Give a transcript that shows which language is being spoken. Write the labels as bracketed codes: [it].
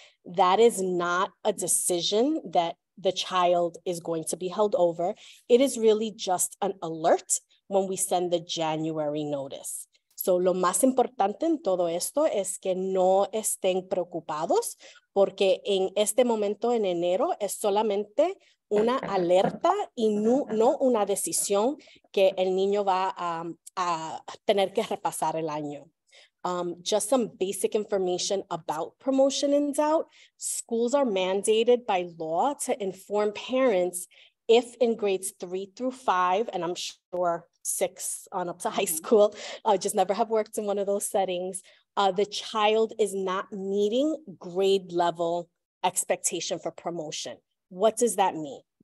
[en] That is not a decision that the child is going to be held over. It is really just an alert when we send the January notice. [es] So lo más importante en todo esto es que no estén preocupados porque en este momento en enero es solamente una alerta y no una decisión que el niño va a tener que repasar el año. [en] Just some basic information about promotion ins out. Schools are mandated by law to inform parents if in grades 3 through 5, and I'm sure 6 on up to high school, just never have worked in one of those settings, the child is not meeting grade level expectation for promotion. What does that mean?